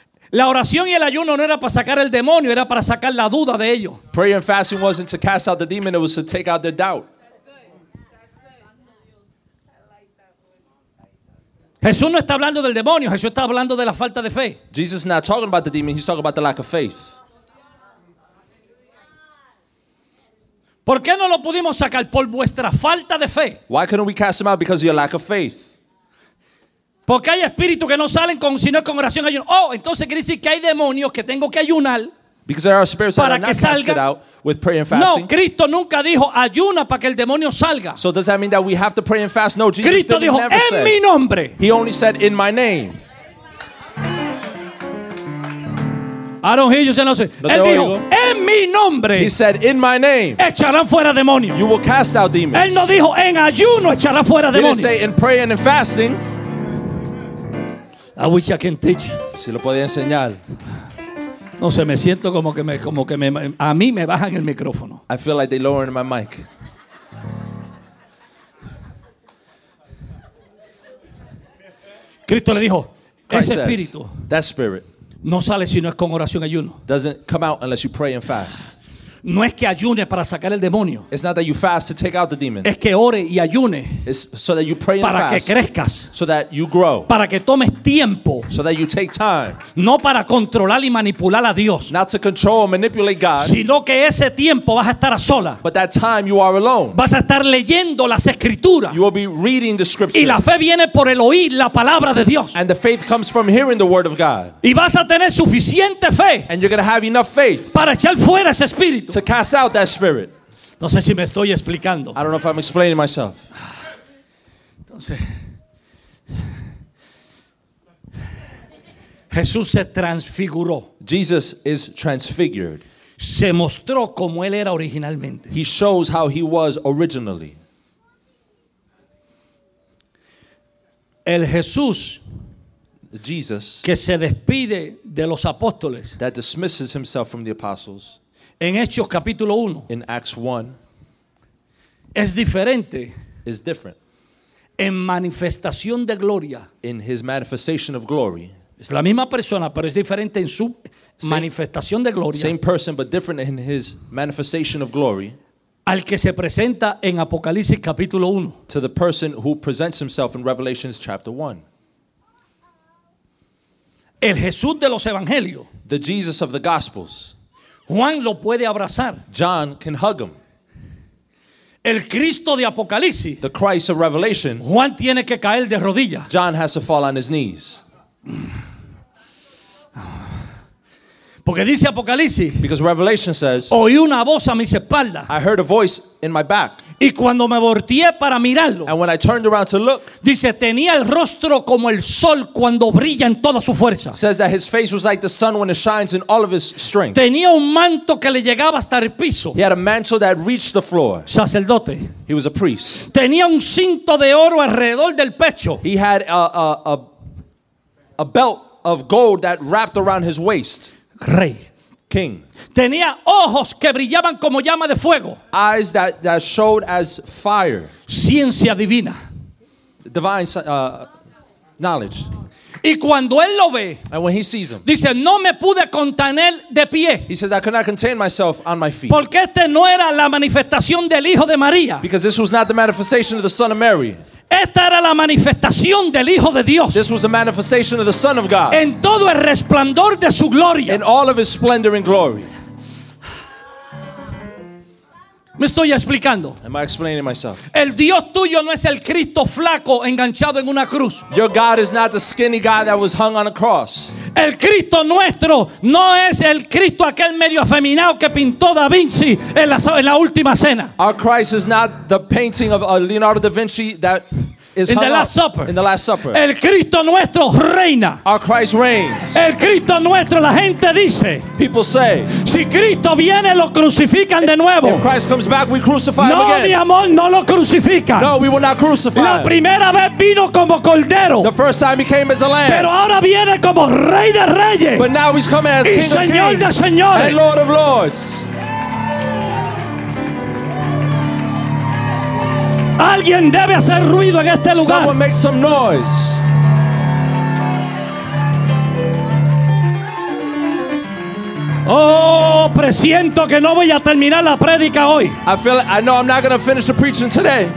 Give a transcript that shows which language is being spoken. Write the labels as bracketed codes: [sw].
[es] La oración y el ayuno no era para sacar el demonio, era para sacar la duda de ellos. [en] Prayer and fasting wasn't to cast out the demon, it was to take out their doubt. [es] Jesús no está hablando del demonio, Jesús está hablando de la falta de fe. [en] Jesus is not talking about the demon, he's talking about the lack of faith. [es] ¿Por qué no lo pudimos sacar? Por vuestra falta de fe. [en] Why couldn't we cast him out? Because of your lack of faith. [es] Porque hay espíritus que no salen con sino con oración y ayuno. Oh, entonces quiere decir que hay demonios que tengo que ayunar. [en] Because there are spirits that are not casted out with prayer and fasting. [es] No, Cristo nunca dijo ayuna para que el demonio salga. [en] So does that mean that we have to pray and fast? No, Jesus [es] Cristo dijo, [en] never [es] en [en] said. [es] Mi nombre. [en] He only said in my name. I don't hear you saying nothing. [es] Él dijo, en mi nombre. [en] He said, in my name. [es] Echarán fuera demonios. [en] You will cast out demons. [es] Él no dijo, en ayuno echará fuera demonios. [en] He didn't say in prayer and in fasting. I wish I can teach. [es] Si lo podía enseñar. No sé, me siento como que me a mí me bajan el micrófono. [en] I feel like they lowering my mic. [es] Cristo le dijo, [en] Christ [es] ese espíritu, [en] says, that spirit, [es] no sale si no es con oración y ayuno. [en] Doesn't come out unless you pray and fast. [es] No es que ayune para sacar el demonio. [en] It's not that you fast to take out the demon. [es] Es que ore y ayune. [en] It's so that you pray and fast. [es] Para que crezcas. [en] So that you grow. [es] Para que tomes tiempo. [en] So that you take time. [es] No para controlar y manipular a Dios. [en] Not to control and manipulate God. [es] Sino que ese tiempo vas a estar a sola. [en] But that time you are alone. [es] Vas a estar leyendo las escrituras. [en] You will be reading the scripture. [es] Y la fe viene por el oír la palabra de Dios. [en] And the faith comes from hearing the word of God. [es] Y vas a tener suficiente fe. [en] And you're going to have enough faith. [es] Para echar fuera ese espíritu. [en] To cast out that spirit. [es] No sé si me estoy explicando. [en] I don't know if I'm explaining myself. [es] Entonces, Jesús se transfiguró. [en] Jesus is transfigured. [es] Se mostró como él era originalmente. [en] He shows how he was originally. [es] El Jesús, [en] the Jesus, [es] que se despide de los apóstoles, [en] that dismisses himself from the apostles, [es] en Hechos capítulo 1, [en] in Acts 1, [es] es diferente, [en] is different, [es] en manifestación de gloria, [en] in his manifestation of glory, [es] es la misma persona, pero es diferente en su manifestación de gloria, [en] same person, but different in his manifestation of glory, [es] al que se presenta en Apocalipsis capítulo 1, [en] to the person who presents himself in Revelation chapter 1. [es] El Jesús de los Evangelios. [en] The Jesus of the Gospels. [es] Juan lo puede abrazar. [en] John can hug him. [es] El Cristo de Apocalipsis. [en] The Christ of Revelation. [es] Juan tiene que caer de rodillas. [en] John has to fall on his knees. [es] Porque dice Apocalipsis. [en] Because Revelation says. [es] Oí una voz a mis espaldas. [en] I heard a voice in my back. [es] Y cuando me volteé para mirarlo, [en] and when I turned around to look, [es] dice, tenía el rostro como el sol cuando brilla en toda su fuerza. [en] Says that his face was like the sun when it shines in all of his strength. [es] Tenía un manto que le llegaba hasta el piso. [en] He had a mantle that reached the floor. [es] Sacerdote. [en] He was a priest. [es] Tenía un cinto de oro alrededor del pecho. [en] He had a belt of gold that wrapped around his waist. [es] Rey. [en] King. [es] Tenía ojos que brillaban como llama de fuego. [en] Eyes that showed as fire. [es] Ciencia divina. [en] Divine knowledge. [es] Y cuando él lo ve, [en] and when he sees him, [es] dice, no me pude contener de pie. [en] He says, I could not contain myself on my feet. [es] Porque este no era la manifestación del Hijo de María. [en] Because this was not the manifestation of the Son of Mary. [es] Esta era la manifestación del Hijo de Dios. [en] This was a manifestation of the Son of God. [es] En todo el resplandor de su gloria. [en] In all of his splendor and glory. [es] ¿Me estoy explicando? [en] Am I explaining myself? [es] El Dios tuyo no es el Cristo flaco enganchado en una cruz. [en] Your God is not the skinny guy that was hung on a cross. [es] El Cristo nuestro no es el Cristo aquel medio afeminado que pintó Da Vinci en la última cena. [en] Our Christ is not the painting of Leonardo da Vinci that is in the Last Supper. In the Last Supper. [es] El Cristo nuestro reina. [en] Our Christ reigns. [es] El Cristo nuestro, la gente dice. [en] People say. [es] Si Cristo viene, lo crucifican de nuevo. [en] If Christ comes back, we crucify [es] no, [en] him again. [es] No, mi amor, no lo crucifican. [en] No, we will not crucify. [es] La primera vez vino como cordero. [en] The first time he came as a lamb. [es] Pero ahora viene como rey de reyes. [en] But now he's coming as [es] y [en] King [es] Señor [en] of Kings. [es] De señores. [en] And Lord of Lords. [es] Alguien debe hacer ruido en este lugar. [en] Someone make some noise. [es] Oh, presiento que no voy a terminar la prédica hoy. [en] I know I'm not going to finish the preaching today.